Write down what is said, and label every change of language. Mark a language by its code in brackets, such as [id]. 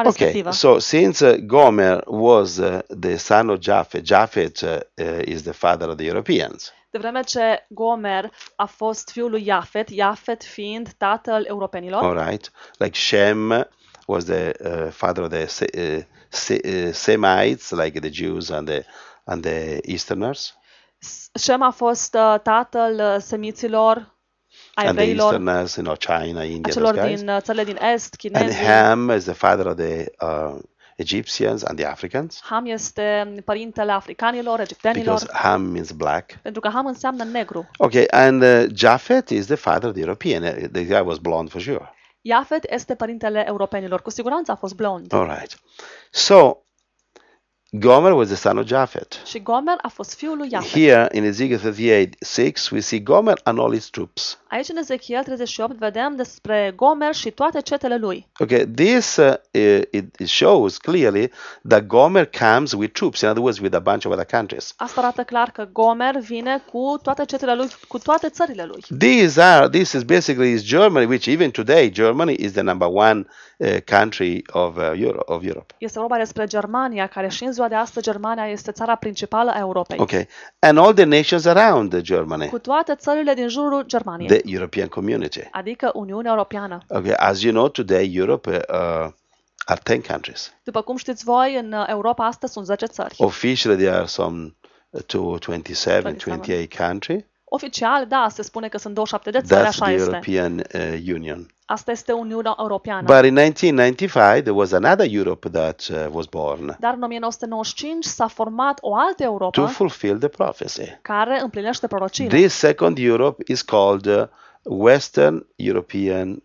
[en] okay, [ro] respectivă. [en] So since Gomer was the son of Japhet, Japhet is the father of the Europeans. [ro] De vreme ce Gomer a fost fiul lui Japhet, Japhet fiind tatăl europenilor. [en] All right. Like Shem was the father of the Semites, like the Jews and the Easterners. [ro] Shem a fost tatăl semiților. [en] And the Easterners, you know, China, India, [ro] acelor [en] those guys. [ro] Din țările din est, chinezii. [en] And Ham is the father of the Egyptians and the Africans. [ro] Ham este părintele africanilor, egiptenilor. [en] Because Ham means black. [ro] Pentru că Ham înseamnă negru. [en] Okay, and Japhet is the father of the European. The guy was blonde for sure. [ro] Japhet este părintele europenilor. Cu siguranță a fost blond. [en] All right. So, Gomer was the son of Japhet. [ro] Și Gomer a fost fiul lui Japhet. [en] Here in Ezekiel 38:6 we see Gomer and all his troops. [ro] Aici în Ezekiel 38 vedem despre Gomer și toate cetele lui. [en] Okay, this it shows clearly that Gomer comes with troops, in other words with a bunch of other countries. [ro] Asta arată clar că Gomer vine cu toate cetele lui, cu toate țările lui. [en] This is basically is Germany, which even today Germany is the number one country of Europe. [ro] Este vorba despre Germania, care și în ziua de astăzi Germania este țara principală a Europei. [en] Okay. And all the nations around Germany. [ro] Cu toate țările din jurul Germaniei. [en] The European Community. [ro] Adică Uniunea Europeană. [en] Okay, as you know, today Europe are 10 countries. [ro] După cum știți voi, în Europa astăzi sunt 10 țări. [en] Officially there are some 28 countries. [ro] Oficial, da, se spune că sunt 27 de țări, [en] That's [ro] așa este. [en] That's the European Union. [ro] Asta este Uniunea Europeană. [en] But in 1995 there was another Europe that was born. [ro] Dar în 1995 s-a format o altă Europa. [en] To fulfill the prophecy. [ro] Care împlinește prorocia. [en] This second Europe is called Western European